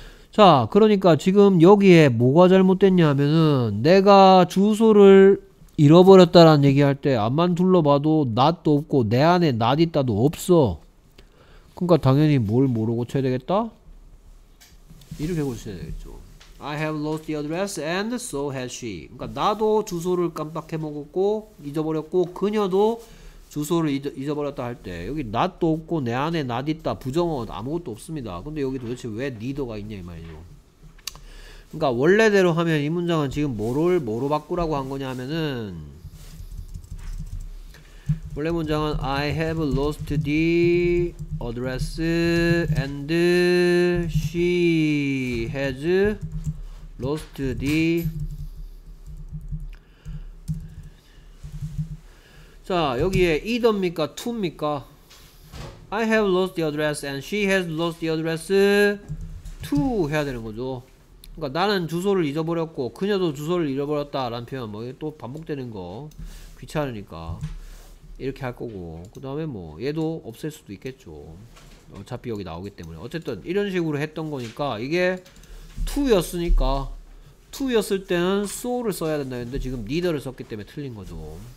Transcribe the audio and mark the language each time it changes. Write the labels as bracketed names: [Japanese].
[Korean] 자, 그러니까 지금 여기에 뭐가 잘못됐냐 하면은 내가 주소를 잃어버렸다라는 얘기할 때 앞만 둘러봐도 not도 없고 내 안에 not 있다도 없어. 그러니까 당연히 뭘 뭐로 고쳐야 되겠다? 이렇게 고쳐야 되겠죠. [English] I have lost the address and so has she. [Korean] 그러니까 나도 주소를 깜빡해 먹었고 잊어버렸고 그녀도 주소를 잊어버렸다 할 때 여기 not도 없고 내 안에 not 있다 부정어 아무것도 없습니다. 근데 여기 도대체 왜 neither가 있냐 이 말이죠. 그러니까 원래대로 하면 이 문장은 지금 뭐를 뭐로 바꾸라고 한 거냐 하면은 원래 문장은 [English] I have lost the [Korean] address and she has lost the 자 여기에 either입니까 to입니까? [English] I have lost the address and she has lost the address to [Korean] 해야 되는 거죠. 그러니까 나는 주소를 잊어버렸고 그녀도 주소를 잃어버렸다 라는 표현 뭐 또 반복되는 거 귀찮으니까 이렇게 할 거고 그 다음에 뭐 얘도 없앨 수도 있겠죠. 어차피 여기 나오기 때문에 어쨌든 이런 식으로 했던 거니까 이게 to였으니까 to였을 때는 so를 써야 된다 했는데 지금 neither를 썼기 때문에 틀린 거죠.